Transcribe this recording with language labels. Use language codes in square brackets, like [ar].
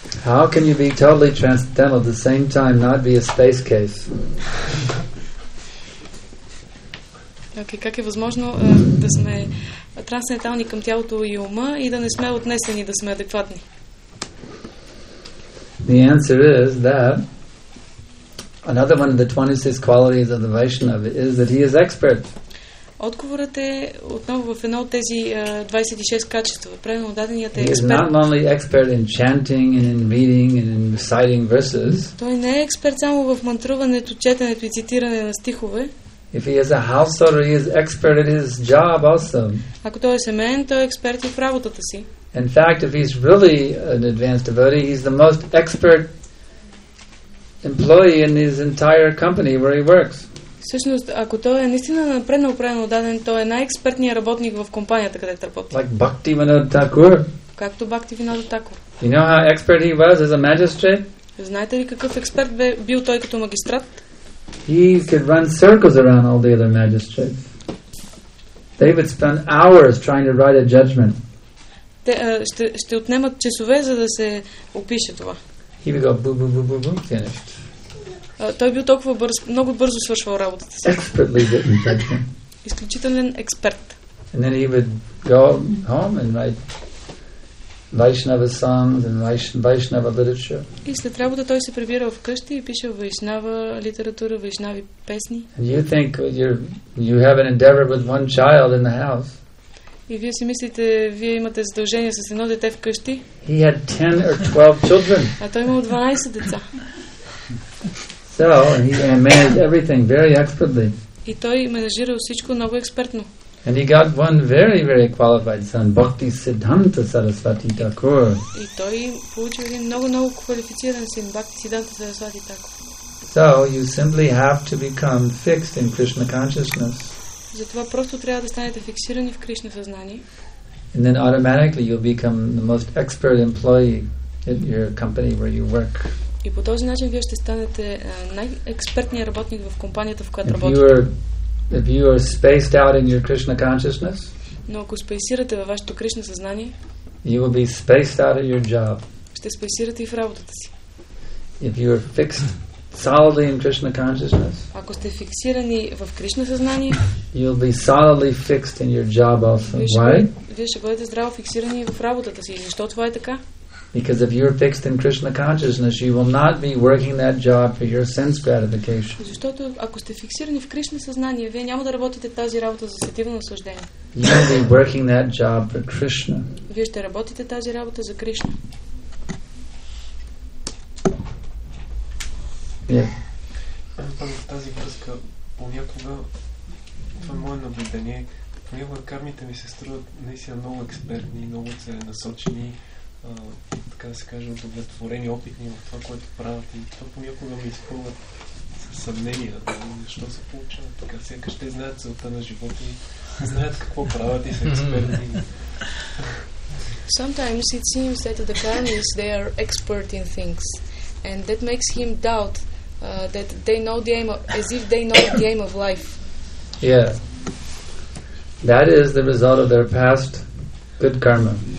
[en] How can you be totally transcendental at the same time not be a space case? [bg] Okay, как е възможно да сме трансцендентални към тялото и ума и да не сме отнесени, да сме адекватни? [en] The answer is that Another one of the 26 qualities of the Vaishnava is that he is expert. [bg] Отговорът е отново в едно от тези 26 качества. Правилно даденият е експерт. [en] He is not only expert in chanting and in reading and in reciting verses. [bg] Той не е експерт само в мантруването, четенето и цитиране на стихове. [en] If he is a householder, he is expert at his job also. [bg] Ако той е семеен, той е експерт и в работата си. [en] In fact, if he's really an advanced devotee, he's the most expert employee in his entire company where he works. [bg] Всъщност, ако той е наистина напреднал правилно даден, той е най-експертният работник в компанията, където работи. [en] Like Bhakti Vinod Thakur. [bg] Както Бхакти Винода Такур. [en] You know how expert he was as a magistrate? [bg] Знаете ли какъв експерт бе бил той като магистрат? [en] He could run circles around all the other magistrates. David spent hours trying to write a judgment. [bg] Ще отнемат часове, за да се опише това. [en] He would go boom, boom, boom, boom, boom, finished. [bg] Той бил толкова бърз, много бързо свършвал работата си. [en] Expertly written judgment. [bg] Изключителен експерт. [en] And then he would go home and write Vaishnava songs and Vaishnava literature. [bg] И след работа той се прибира в къщи и пише Вайшнава литература, Вайшнави песни. [en] And you think you have an endeavor with one child in the house. [bg] И вие си мислите, вие имате задължение с едно дете в къщи. [en] He had 10 or 12 children. [bg] А той имал 12 деца. [en] So he managed everything very expertly. [bg] И той менажирал всичко много експертно. [en] And he got one very, very qualified son, Bhakti Siddhanta Saraswati Thakur. [bg] И той получил един много, много квалифициран син, Bhakti Siddhanta Saraswati Thakur. [en] So you simply have to become fixed in Krishna consciousness. [bg] Затова просто трябва да станете фиксирани в Кришна съзнание. [en] And then automatically you'll become the most expert employee at your company where you work. [bg] И по този начин вие ще станете най-експертният работник в компанията, в която работите. Но ако спейсирате във вашето Кришна съзнание, [en] you will be spaced out in your job. [bg] Ще спейсирате и в работата си. [en] If you are fixed solidly in Krishna consciousness, [bg] ако сте фиксирани в Кришна съзнание, [en] you will be solidly fixed in your job also. [bg] Вие ще бъдете здраво фиксирани в работата си. Защо това е така? [en] Because if you're fixed in Krishna consciousness, you will not be working that job for your sense gratification. [bg] Защото ако сте фиксирани в Кришна съзнание, вие няма да работите тази работа за сетивно наслаждение. [en] You will be working that job for Krishna. [bg] Вие ще работите тази работа за Кришна. В тази връзка, понякога това е мое наблюдение, понякога кармите ми се струват наистина много експертни, много целенасочени, така да се каже, удовлетворени, опитни в това, което правят, и това понякога ми изпълва със съмнение, защо се получава така. Сякаш те знаят целта на живота и знаят какво правят и са експерти. [en] Sometimes it seems that the karmis, they are expert in things, and that makes him doubt that they know the aim of, as if they know the aim of life. Yeah. That is the result of their past good karma.